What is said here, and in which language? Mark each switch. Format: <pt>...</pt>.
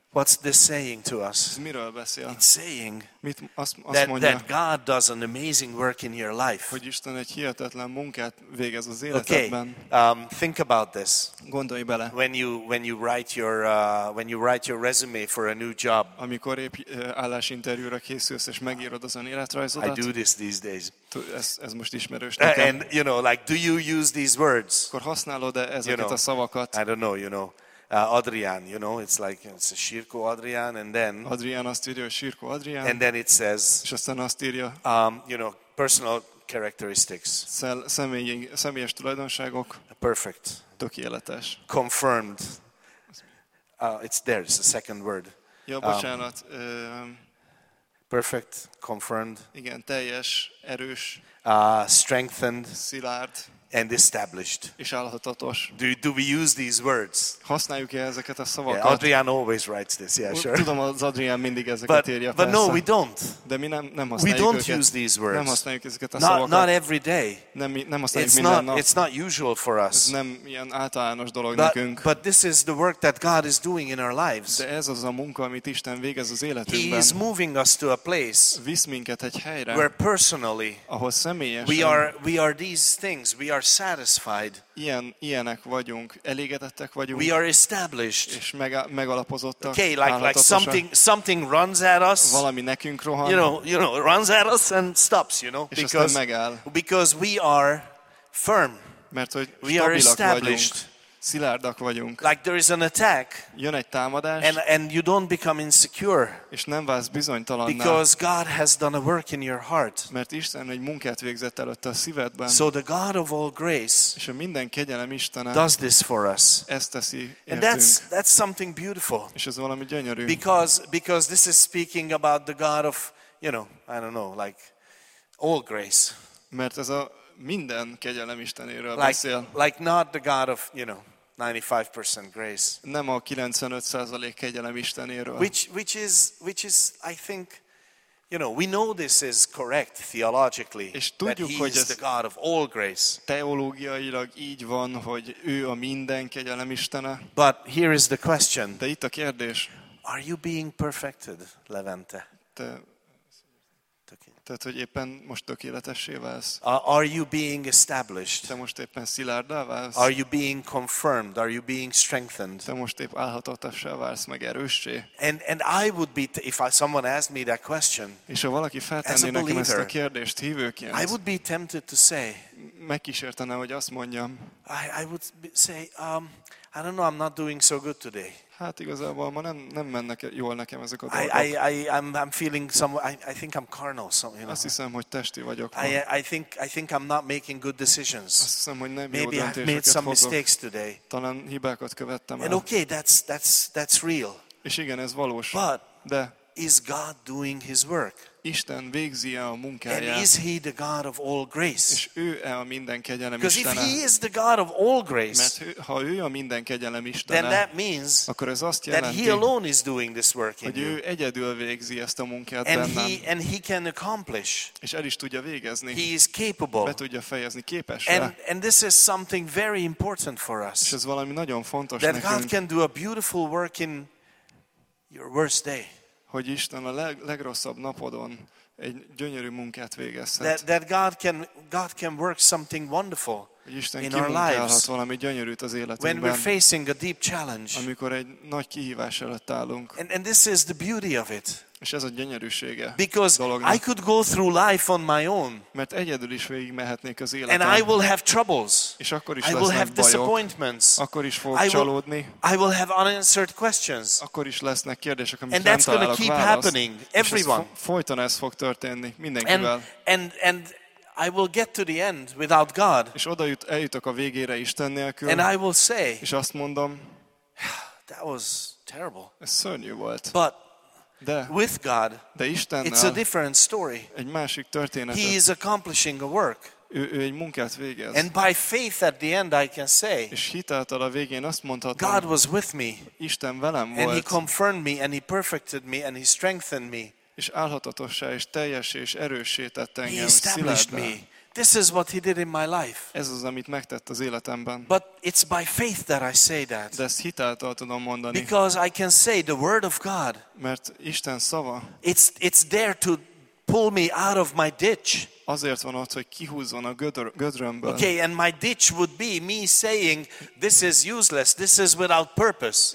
<en>What's this saying to us?</en> <hu>Miről beszél?</hu> <en>It's saying</en> <hu>mit, azt</hu> <en>that,</en> <hu>mondja,</hu> <en>that God does an amazing work in your life.</en> <hu>Hogy Isten egy hihetetlen munkát végez az életedben.</hu> <en>Okay. Think about this.</en> <hu>Gondolj bele.</hu> <en>When you write your resume for a new job.</en> <hu>Amikor épp állásinterjúra készülsz és megírod az önéletrajzodat.</hu> <en>I do this these days.</en> <hu>Ez most ismerős nekem.</hu> <en>And you know, like, do you use these words?</en> <hu>Akkor használod-e ezeket</hu> <en>you know,</en> <hu>a szavakat?</hu> <en>I don't know, you know. Adrian, you know, it's like it's a Sirko Adrian, and then</en> <hu>Adrian azt írja, Sirko Adrian,</hu> <en>and then it says,</en> <hu>és aztán azt írja,</hu> <en>you know, personal characteristics,</en> <hu>személyes tulajdonságok,</hu> <en>perfect,</en> <hu>tökéletes,</hu> <en>confirmed, it's there, it's the second word,</en> <hu>ja, bocsánat,</hu> <en>perfect, confirmed,</en> <hu>igen, teljes, erős,</hu> <en>strengthened,</en> <hu>szilárd.</hu> <en>And established.</en> <hu>És állhatatos.</hu> <en>Do we use these words?</en> <hu>Használjuk-e ezeket a szavakat?</hu> <en>Yeah, Adrian always writes this. Yeah, sure.</en> <hu>Tudom, az Adrian mindig ezeket írja.</hu> <en>But no, we don't.</en> <hu>De mi nem használjuk.</hu> <en>We don't</en> <hu>őket.</hu> <en>Use these words.</en> <hu>Nem használjuk ezeket a</hu> <en>not,</en> <hu>szavakat.</hu> <en>Not every day.</en> <hu>Nem használjuk</hu> <en>it's</en> <hu>minden nap.</hu> <en>It's not usual for us.</en> <hu>Ez nem ilyen általános dolog</hu> <en>but,</en> <hu>nekünk.</hu> <en>But this is the work that God is doing in our lives.</en> <hu>De ez az a munka, amit Isten végez az életünkben.</hu> <en>He is moving us to a place.</en> <hu>Visz minket egy helyre.</hu> <en>Where personally.</en> <hu>Ahol személyesen.</hu> <en>We are these things. We are satisfied.</en> <hu>Ilyenek vagyunk, elégedettek vagyunk.</hu> <en>We are established.</en> <hu>És megalapozottak.</hu> <en>Okay, like something runs at us.</en> <hu>Valami nekünk rohan.</hu> <en>You know, runs at us and stops, you know, because we are firm.</en> <hu>Mert hogy</hu> <en>we are established.</en> <hu>Vagyunk, szilárdak vagyunk.</hu> <en>Like there is an attack.</en> <hu>Jön egy támadás.</hu> <en>And you don't become insecure.</en> <hu>És nem válsz bizonytalanná.</hu> <en>Because God has done a work in your heart.</en> <hu>Mert Isten egy munkát végzett előtte a szívedben.</hu> <en>So the God of all grace.</en> <hu>És a minden kegyelem Istene.</hu> <en>Does this for us.</en> <hu>Ezt teszi értünk.</hu> <en>And that's something beautiful.</en> <hu>És ez valami gyönyörű.</hu> <en>Because this is speaking about the God of, you know, I don't know, like all grace.</en> <hu>Mert ez a minden kegyelem Istenéről</hu> <en>like,</en> <hu>beszél.</hu> <en>Like not the God of, you know, 95% grace.</en> <hu>Nem a 95% kegyelem Istenéről.</hu> <en>Which is, I think, you know, we know this is correct theologically.</en> <hu>És tudjuk,</hu> <en>that he is the God of all grace.</en> <hu>Teológiailag így van, hogy ő a minden kegyelem Istene.</hu> <en>But here is the question.</en> <hu>De itt a kérdés.</hu> <en>Are you being perfected, Levente?</en> <hu>Tehát, hogy éppen most tökéletessé válsz.</hu> <en>Are you being established?</en> <hu>Te most éppen szilárddá válsz.</hu> <en>Are you being confirmed? Are you being strengthened?</en> <hu>Te most épp állhatatossá válsz, meg erőssé.</hu> <en>And I would be, if someone asked me that question,</en> <hu>és ha valaki feltenné nekem ezt a kérdést hívőként,</hu> <en>I would be tempted to say,</en> <hu>megkísértene, hogy azt mondjam,</hu> <en>I would say, I don't know, I'm not doing so good today.</en> <hu>Hát igazából ma nem mennek jól nekem ezek a dolgok.</hu> <en>I'm feeling some. I think I'm carnal. Some, you know.</en> <hu>Azt hiszem, hogy testi vagyok.</hu> <en>I think I'm not making good decisions.</en> <hu>Azt hiszem, hogy nem</hu> <en>maybe</en> <hu>jó döntéseket</hu> <en>made some</en> <hu>hozok.</hu> <en>Mistakes today.</en> <hu>Talán hibákat követtem el.</hu> <en>And okay, that's real.</en> <hu>És igen, ez valós.</hu> <en>But</en> <hu>de</hu> <en>is God doing His work?</en> <hu>Isten végzi a munkáját.</hu> <en>And is He the God of all grace?</en> <hu>És ő a minden kegyelem Istene.</hu> <en>Because if He is the God of all grace,</en> <hu>mert ha ő a minden kegyelem Istene,</hu> <en>then that means</en> <hu>akkor ez azt</hu> <en>that</en> <hu>jelenti,</hu> <en>He alone is doing this work in</en> <hu>hogy</hu> <en>you.</en> <hu>Ő egyedül végzi ezt a munkát</hu> <en>and</en> <hu>bennem.</hu> <en>He can accomplish.</en> <hu>És el is tudja végezni.</hu> <en>He is capable.</en> <hu>Be tudja fejezni, képes.</hu> <en>And this is something very important for us.</en> <hu>És ez valami nagyon fontos</hu> <en>that</en> <hu>nekünk.</hu> <en>That God can do a beautiful work in your worst day.</en> <hu>Hogy Isten a legrosszabb napodon egy gyönyörű munkát végezhet.</hu> <en>That God can work something wonderful.</en> <hu>hogy Isten kimunkálhat valami gyönyörűt az életünkben.</hu> <en>When we're facing a deep challenge.</en> <hu>Amikor egy nagy kihívás előtt állunk.</hu> <en>And this is the beauty of it.</en> <hu>És ez a gyönyörűsége.</hu> <en>Because I could go through life on my own.</en> <hu>Mert egyedül is végigmehetnék az életem.</hu> <en>And I will have troubles.</en> <hu>És akkor is lesznek bajok.</hu> <en>I will have disappointments.</en> <hu>Akkor is fogok csalódni.</hu> <en>I will have unanswered questions.</en> <hu>Akkor is lesznek kérdések, amikre nem találok választ.</hu> <en>And that's going to keep happening. Everyone.</en> <hu>Folyton ez fog történni mindenkivel.</hu> <en>And I will get to the end without God.</en> <hu>És oda eljutok a végére Isten nélkül.</hu> <en>And I will say.</en> <hu>És azt mondom.</hu> <en>That was terrible.</en> <hu>Ez szörnyű volt.</hu> <en>But with God,</en> <hu>de Istennel,</hu> <en>it's a different story.</en> <hu>Egy másik történet.</hu> <en>He is accomplishing a work.</en> <hu>Ő egy munkát végez.</hu> <en>And by faith at the end I can say.</en> <hu>És hitáltal a végén azt mondhatom.</hu> <en>God was with me.</en> <hu>Isten velem volt.</hu> <en>And he confirmed me and he perfected me and he strengthened me.</en> <hu>És álhatatossá és teljessé és erőssé tett engem.</hu> <en>He established me. This is what he did in my life.</en> <hu>Ez az, amit megtett az életemben.</hu> <en>But it's by faith that I say that.</en> <hu>De ezt hitáltal tudom mondani.</hu> <en>Because I can say the word of God.</en> <hu>Mert Isten szava.</hu> <en>It's there to pull me out of my ditch.</en> <hu>Azért van ott, hogy kihúzzon a gödrömből.</hu> <en>Okay, and my ditch would be me saying this is useless, this is without purpose.</en>